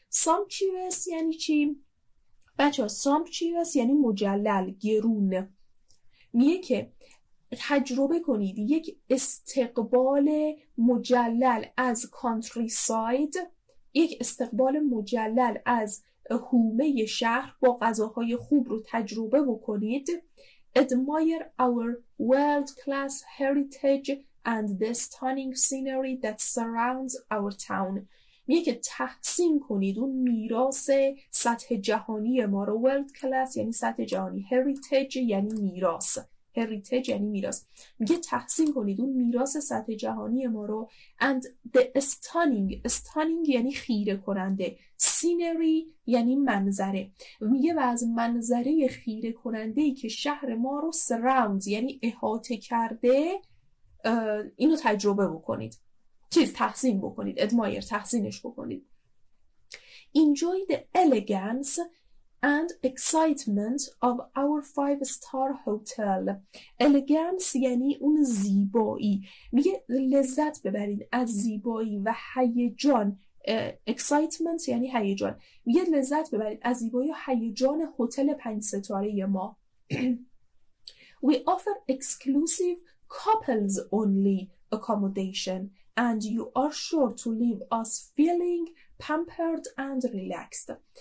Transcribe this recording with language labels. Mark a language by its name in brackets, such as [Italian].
[Persian] Sumptuous یعنی چی؟ بچه ها sumptuous یعنی مجلل، گرون. میگه که تجربه کنید یک استقبال مجلل از countryside، یک استقبال مجلل از حومه شهر با غذاهای خوب رو تجربه بکنید. [English] Admire our world class heritage and the stunning scenery that surrounds our town. [Persian] میگه که تحسین کنید اون میراث سطح جهانی ما رو. World class یعنی سطح جهانی، heritage یعنی میراث، heritage یعنی میراث. میگه تحسین کنید اون میراث سطح جهانی ما رو. [English] And the stunning، [Persian] stunning یعنی خیره کننده، scenery یعنی منظره. میگه و از منظره خیره کنندهی که شهر ما رو surround یعنی احاطه کرده اینو تجربه بکنید، چیز تحسین بکنید، admire تحسینش بکنید. [English] Enjoy the elegance and excitement of our five star hotel. [Persian] Elegance یعنی اون زیبایی. میگه لذت ببرید از زیبایی و هیجان. Excitement یعنی هیجان. میگه لذت ببرید از زیبایی و هیجان هتل 5 ستاره ما. [English] We offer exclusive couples only accommodation and you are sure to leave us feeling pampered and relaxed.